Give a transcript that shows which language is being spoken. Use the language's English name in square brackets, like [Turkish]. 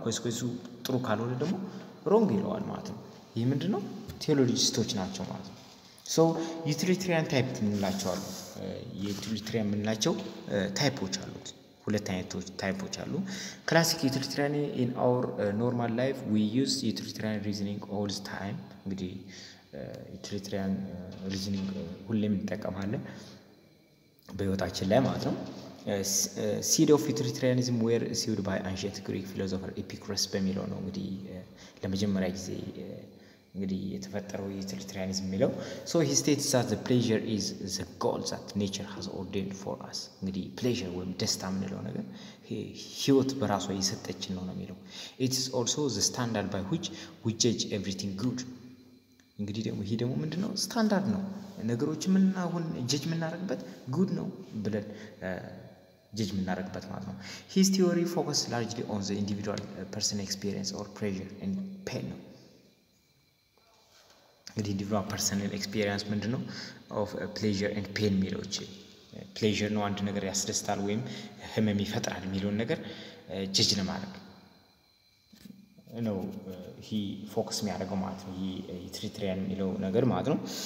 [Amharic] ኮንስኩዌንሱ ጥሩ ካልሆነ ደግሞ ሮንግ ይለዋል ማለት ነው። ይህ ምንድን ነው ቴዎሎጂስቶች ናቸው ማለት ነው። ሶ ዩቲሊታሪያን ታይፕ የምንላቸው አሉ። የዩቲሊታሪያን የምንላቸው ታይፖች አሉት። ሁለት አይነቶች ታይፖች አሉ። [English] ክላሲክ ዩቲሊታሪያን ኢን አወር ኖርማል ላይፍ ዊ ዩዝ ዩቲሊታሪያን ሪዝኒንግ ኦል ዘ ታይም። [Amharic] እንግዲህ ዩቲሊታሪያን ሪዝኒንግ ሁሌም እንጠቀማለን በህይወታችን ላይ ማለት ነው። [English] Seed of utilitarianism were sowed by ancient Greek philosopher Epicurus [Amharic] በሚለው ነው እንግዲህ ለመጀመሪያ ጊዜ እንግዲህ የተፈጠረው ዩቲሊታሪያኒዝም የሚለው [English] so he states that the pleasure is the goal that nature has ordained for us. [Amharic] እንግዲህ pleasure ወይም ደስታ ምንለው ነገር ህይወት በራሷ የሰጠችን ነው የሚለው. [English] It is also the standard by which we judge everything good. [Amharic] እንግዲህ ደግሞ ይሄ ደግሞ ምንድነው ስታንዳርድ ነው ነገሮች ምንናሁን ጀጅ ምናረግበት good ነው ብለን ጀጅ ምናረግበት ማለት ነው. [English] His theory focuses largely on the individual person experience or pleasure and pain. [Amharic] እንግዲህ ዲቨሎፕ ፐርሰናል ኤክስፒሪየንስ ምንድነው ኦፍ ፕሌዥር ኤንድ ፔን ሚሎች ፕሌዥር ነው አንድ ነገር ያስደስታል ወይም ህመም ይፈጥራል ሚሎን ነገር ጀጅ ለማድረግ ነው ሂ ፎከስ የሚያደርገው ማለት ነው ይሄ ዩቲሊታሪያን ሚሎው ነገር ማለት ነው.